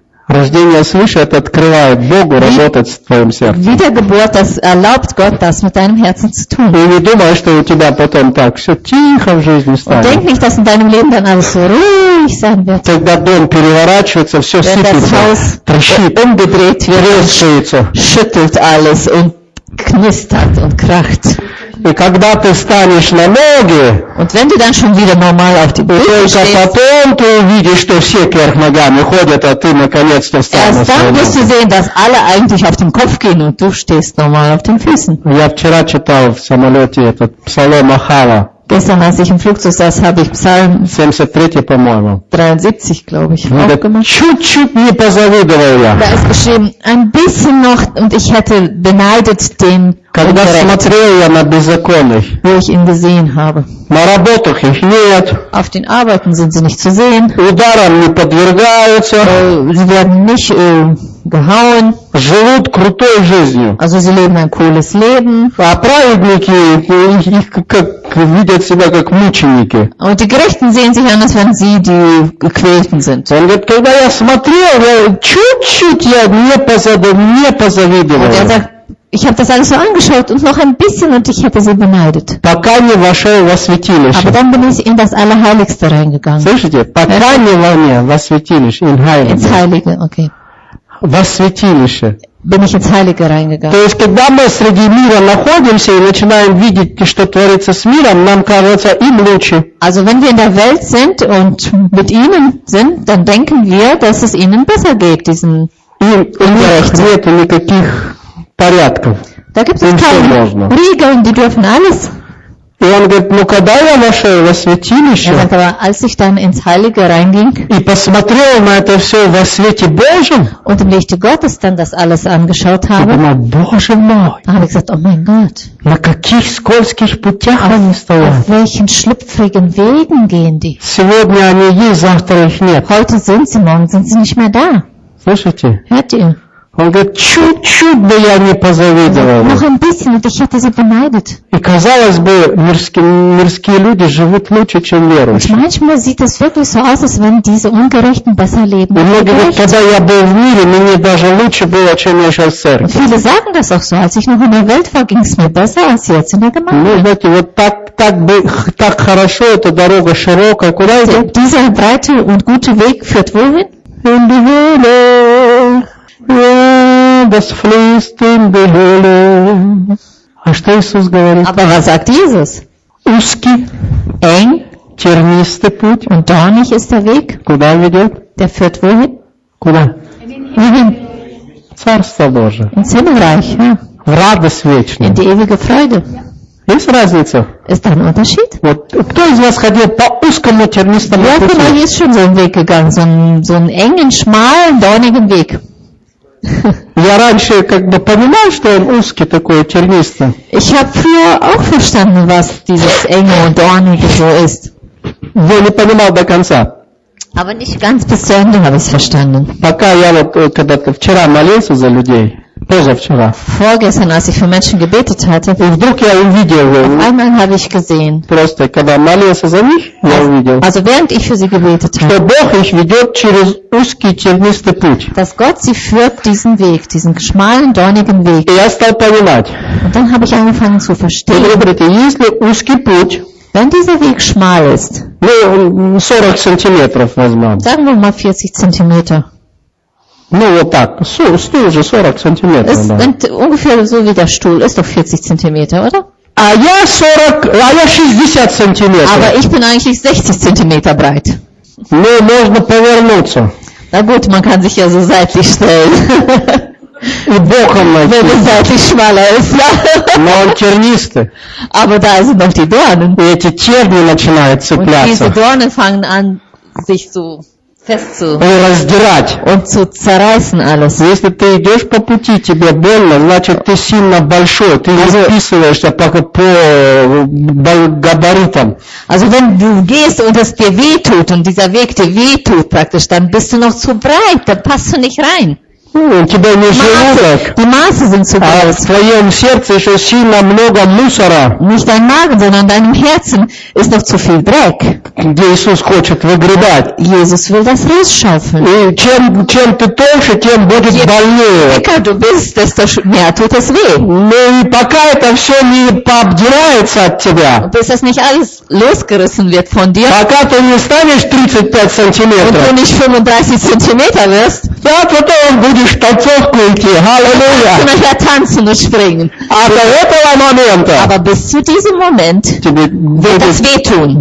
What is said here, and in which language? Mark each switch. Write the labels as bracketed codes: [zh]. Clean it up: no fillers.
[ru] Рождение свыше это открывает Богу работать с твоим сердцем. [de] Wiedergeburt, das erlaubt Gott, das mit deinem Herzen zu tun. [ru] И не думай, что у тебя потом так все тихо в жизни станет. [de] Denk nicht, dass in deinem Leben dann alles so ruhig sein wird. [ru] Тогда дом переворачивается, все сыпется, [de] schüttelt alles und knistert und kracht. [ru] И когда ты станешь на ноги, [de] und wenn du dann schon wieder normal auf die Beine stehst, [ru] только потом ты увидишь, что все кверх ногами ходят, а ты наконец-то станешь. [de] Erst dann wirst du sehen, dass alle eigentlich auf dem Kopf gehen und du stehst normal auf den Füßen. [ru] Я вчера читал в самолете этот Псалом Ахава. [de] Gestern, als ich im Flugzeug saß, habe ich Psalm 73, glaube ich, aufgemacht. [ru] Чуть-чуть не позавидовал я. [de] Da ist geschrieben, ein bisschen noch, und ich hätte beneidet den. [ru] Когда смотрел я на беззаконных, [de] wo ich ihn gesehen habe. [ru] На работах их нет. [de] Auf den Arbeiten sind sie nicht zu sehen. [ru] Ударам не подвергаются. [de] Sie werden nicht gehauen. [ru] Живут крутой жизнью. [de] Also sie leben ein cooles Leben. [ru] А праведники, их как видят себя как мученики. [de] Und die Gerechten sehen sich anders, wenn sie die Gequälten sind. [ru] Он говорит, когда я смотрел, чуть-чуть я не позавидовал. [de] Ich habe das alles so angeschaut und noch ein bisschen und ich hätte sie beneidet. Aber dann bin ich in das Allerheiligste reingegangen. [ru] Слышите? Пока не во мне во святилище, [de] in Heilige. Ins Heilige, okay. [ru] Во святилище. [de] Bin ich ins Heilige reingegangen. [ru] То есть, когда мы среди мира находимся и начинаем видеть, что творится с миром, нам кажется им лучше. [de] Also, wenn wir in der Welt sind und mit ihnen sind, dann denken wir, dass es ihnen besser geht, diesen Ungerechten. [ru] Порядков. [de] Da gibt es keine Regeln, die dürfen alles. [ru] И он говорит, ну когда я вошел во святилище, [de] sagt, aber, als ich dann ins Heilige reinging, [ru] и посмотрел на это все во свете Божьем, [de] und im Lichte Gottes dann das alles angeschaut habe, [ru] думал, Боже мой, [de] da habe ich gesagt, oh mein Gott, [ru] на каких скользких путях они стоят? [de] Auf welchen schlüpfrigen Wegen gehen die? [ru] Сегодня они есть, завтра их нет. [de] Heute sind sie, morgen sind sie nicht mehr da. [ru] Слышите? [de] Hört ihr? [ru] Он говорит, чуть-чуть бы я не позавидовал. [de] Noch ein bisschen, und ich hätte sie beneidet. [ru] И казалось бы, мирские люди живут лучше, чем верующие. [de] Manchmal sieht es wirklich so aus, als wenn diese Ungerechten besser leben. Und [ru] многие говорят, когда я был в мире, мне даже лучше было, чем я сейчас в церкви. [de] Viele sagen das auch so, als ich noch in der Welt war, ging es mir besser, als jetzt in der Gemeinde. [ru] Ну, знаете, вот так, так хорошо, эта дорога широкая, куда идет? [de] Dieser breite und gute Weg führt wohin? In die Höhle, ja, das fließt in die Höhle. [ru] А что Иисус говорит? [de] Aber was sagt Jesus? [ru] Узкий. [de] Eng. [ru] Тернистый путь. [de] Und dornig ist der Weg. [ru] Куда ведет? [de] Der führt wohin? [ru] Куда? [de] Wohin? [ru] Царство Божие. [de] Ins Himmelreich. Ja. [ru] В радость вечную. [de] In die ewige Freude. [ru] Есть разница? [de] Ist da ein Unterschied? [ru] Вот. Кто из вас ходил по узкому тернистому пути? [de] Wer von euch ist schon so einen Weg gegangen, so einen engen, schmalen, dornigen Weg? [ru] Я раньше как бы понимал, что он узкий такой, тернистый. [de] Ich habe früher auch verstanden, was dieses enge und dornige so ist. [ru] Я не понимал до конца. [de] Aber nicht ganz bis zu Ende habe ich es verstanden. [ru] Пока я вот когда-то вчера молился за людей. Позавчера. [de] Vorgestern, als ich für Menschen gebetet hatte. [ru] И вдруг я увидел его. [de] Einmal habe ich gesehen. [ru] Просто когда молился за них, я увидел. [de] Also während ich für sie gebetet habe. [ru] Что Бог их ведет через узкий тернистый путь. [de] Dass Gott sie führt diesen Weg, diesen schmalen, dornigen Weg. [ru] И я стал понимать. [de] Und dann habe ich angefangen zu verstehen. [ru] Говорите, если узкий путь. [de] Wenn dieser Weg schmal ist. [ru] Ну, 40 сантиметров возьмем. [de] Sagen wir mal 40 Zentimeter. [ru] Ну вот так, стул уже 40 сантиметров. [de] Ist, [ru] да. [de] Ungefähr so wie der Stuhl, ist doch 40 Zentimeter, oder? [ru] А я 60 сантиметров. [de] Aber ich bin eigentlich 60 Zentimeter breit. [ru] Ну, можно повернуться. [de] Na gut, man kann sich ja so seitlich stellen. [ru] И боком найти. [de] Wenn es seitlich schmaler ist, ja. [ru] Но он тернистый. [de] Aber da sind noch die Dornen. [ru] И эти черни начинают цепляться. [de] Und diese Dornen fangen an, sich zu... Und [ru] раздирать. [de] Und zu zerreißen alles. [ru] Если ты идешь по пути, тебе больно, значит ты сильно большой. Ты [de] also, [ru] расписываешься пока по габаритам. [de] Also wenn du gehst und es dir weh tut, und dieser Weg dir weh tut praktisch, dann bist du noch zu breit, dann passt du nicht rein. [ru] Тебе не желудок. [de] Die Maße sind zu groß. [ru] А в твоем сердце еще сильно много мусора. [de] Nicht dein Magen, sondern deinem Herzen ist noch zu viel Dreck. [ru] Где Иисус хочет выгребать. [de] Jesus will das rausschaffen. [ru] И чем ты толще, тем будет больнее. [de] Dicker du bist, desto mehr tut es weh. [ru] Ну и пока это все не пообдирается от тебя. [de] Bis es nicht alles losgerissen wird von dir. [ru] Пока ты не станешь 35 сантиметров. [de] Und du nicht 35 Zentimeter wirst. [ru] Да, потом будешь танцовку идти. Аллилуйя. Ты начнешь танцевать и [de] springen. [ru] А до этого момента. [de] Aber bis zu diesem Moment. [ru] Тебе [de] wird es wehtun.